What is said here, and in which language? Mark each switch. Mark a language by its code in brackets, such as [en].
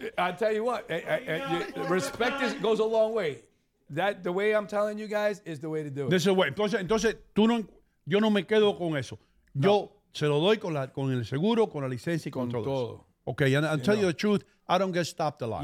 [en] I tell you what, respect goes a long way. The way I'm telling you guys is the way to do it. This is the way. [es] Entonces tú no, yo no me quedo con eso. No. Yo se lo doy con el seguro, con la licencia y con todo. Todo. [en] Okay, and I'll tell you the truth, I don't get stopped a lot.